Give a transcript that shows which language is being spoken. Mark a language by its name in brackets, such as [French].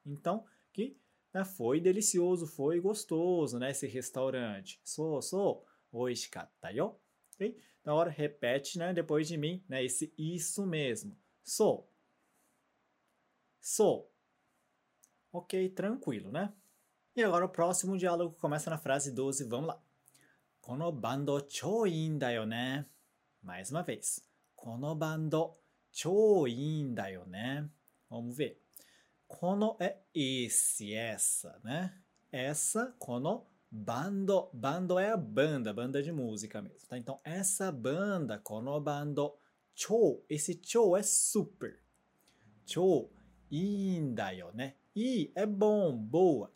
[Portuguese] Então, que, né, foi delicioso, foi gostoso, né, esse restaurante. Sou, sou, [Japanese] 味しかったよ。Okay? [Portuguese] Então agora repete, né, depois de mim, né, esse isso mesmo. Sou. Sou. Ok, tranquilo, né? E agora o próximo diálogo começa na frase 12, vamos lá. [Japanese] このバンド超いいんだよね。 [Portuguese] Mais uma vez. [Japanese] このバンド超いいんだよね。 [Portuguese] Vamos ver. この é esse, essa, né? Essa, [Japanese] このバンド。 [Portuguese] バンドé a banda, banda de música mesmo. Tá? Então, essa banda, [Japanese] このバンド超, [Portuguese] esse 超 é super. [Japanese] 超いいんだよね。 [Portuguese] E é bom, boa.